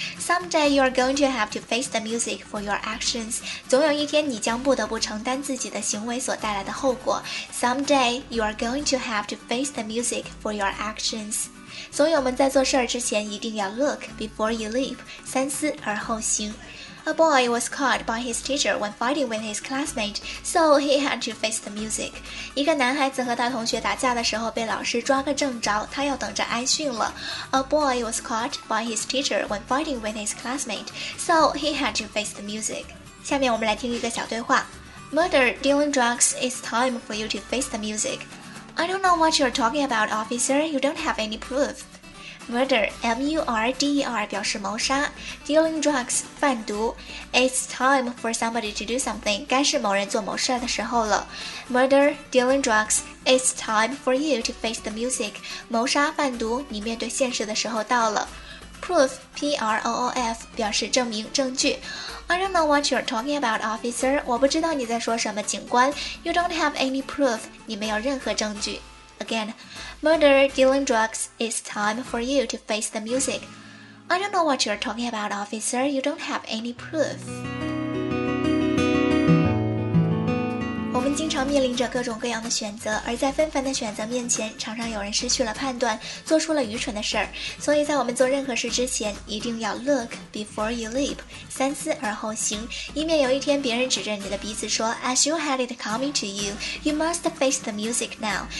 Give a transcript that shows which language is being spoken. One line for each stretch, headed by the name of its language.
English: Someday you are going to have to face the music for your actions.
Chinese: 总有一天你将不得不承担自己的行为所带来的后果。
English: Someday you are going to have to face the music for your actions.
Chinese: 所以我们在做事之前一定要
English: look before you leap,
Chinese: 三思而后行。
English: A boy was caught by his teacher when fighting with his classmate, so he had to face the music.
Chinese: 一个男孩子和他同学打架的时候被老师抓个正着，他要等着挨训了。
English: A boy was caught by his teacher when fighting with his classmate, so he had to face the music.
Chinese: 下面我们来听一个小对话。
English: Murder, dealing drugs, it's time for you to face the music. I don't know what you're talking about, officer. You don't have any proof. Murder, M-U-R-D-E-R,
Chinese: 表示谋杀。
English: Dealing drugs,
Chinese: 贩毒。
English: It's time for somebody to do something.
Chinese: 该是某人做某事的时候了。
English: Murder, dealing drugs, it's time for you to face the music.
Chinese: 谋杀、贩毒，你面对现实的时候到了。 Proof, P-R-O-O-F, 表示证明、证据。
English: I don't know what you're talking about, officer.
Chinese: 我不知道你在说什么，警官。
English: You don't have any proof.
Chinese: 你没有任何证据。
English: Again, murder, dealing drugs, it's time for you to face the music. I don't know what you're talking about, officer. You don't have any proof.
Chinese: 我们经常面临着各种各样的选择，而在纷繁的选择面前，常常有人失去了判断，做出了愚蠢的事儿。所以在我们做任何事之前，一定要
English: look before you leap，
Chinese: 三思而后行，以免有一天别人指着你的鼻子说
English: As you had it coming to you, you must face the music now.